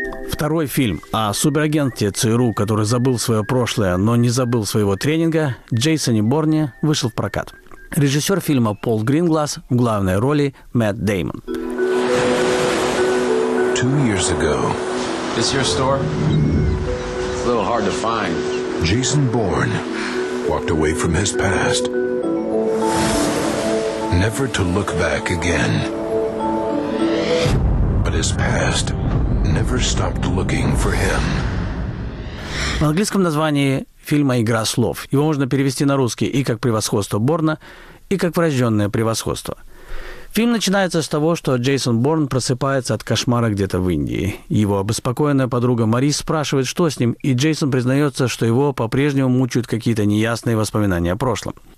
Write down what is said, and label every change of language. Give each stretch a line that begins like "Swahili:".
Russian: Второй фильм о суперагенте ЦРУ, который забыл свое прошлое, но не забыл своего тренинга, Джейсоне Борне, вышел в прокат. Режиссер фильма Пол Гринглас, в главной роли Мэтт Дэймон.
English: Two years ago. This your store? It's a little hard to find. Jason Bourne walked away from his past. Never to look back again. But his past never stopped looking for him.
Russian: В английском названии фильма «Игра слов». Его можно перевести на русский и как «Превосходство Борна», и как врожденное превосходство. Фильм начинается с того, что Джейсон Борн просыпается от кошмара где-то в Индии. Его обеспокоенная подруга Мари спрашивает, что с ним, и Джейсон признается, что его по-прежнему мучают какие-то неясные воспоминания о прошлом.